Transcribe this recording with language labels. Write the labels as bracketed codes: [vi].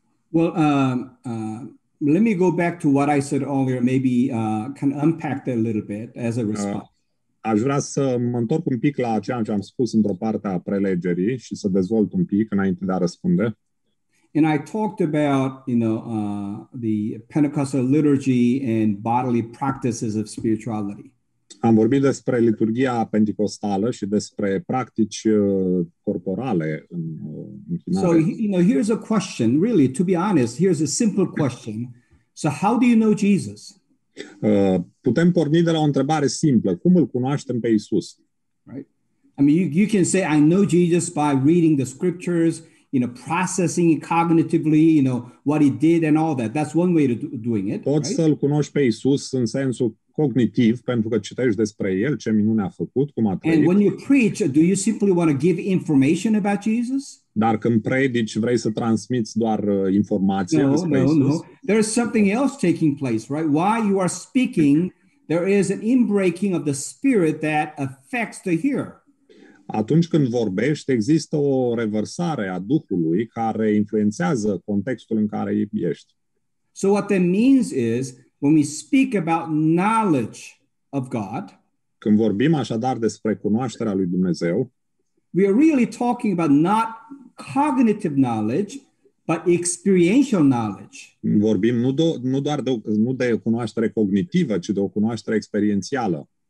[en] Well, let me go back to what I said earlier, maybe kind of unpack that a little bit as a response. [ro] Aș vrea să mă întorc un pic la ceea ce am spus într-o parte a prelegerii și să dezvolt un pic înainte de a răspunde. [en] And I talked about, you know, the Pentecostal liturgy and bodily practices of spirituality. [ro] Am vorbit despre liturgia pentecostală și despre practici corporale în închinare. [en] So, you know, here's a question, really, to be honest, here's a simple question. So how do you know Jesus? [ro] Putem porni de la o întrebare simplă. Cum îl cunoaștem pe Iisus? [en] Right. I mean, you can say, I know Jesus by reading the scriptures, you know, processing it cognitively, you know, what he did and all that. That's one way of doing it. [ro] Poți [en] right? [ro] să-l cunoști pe Iisus în sensul cognitiv, pentru că citești despre el, ce minune a făcut, cum a trăit. [en] And when you preach, do you simply want to give information about Jesus? [ro] Dar când predici, vrei să transmiți doar informație [en] no, [ro] despre [en] no, [ro] Iisus? [en] No. There is something else taking place, right? Why you are speaking, there is an inbreaking of the spirit that affects the hearer. [ro] Atunci când vorbești, există o revărsare a Duhului care influențează contextul în care ești. [en] So what that means is, when we speak about knowledge of God, [ro] când vorbim așadar despre cunoașterea lui Dumnezeu, [en] we are really talking about not cognitive knowledge, but experiential knowledge. [ro] Vorbim nu doar de cunoaștere cognitivă, ci de o cunoaștere experiențială.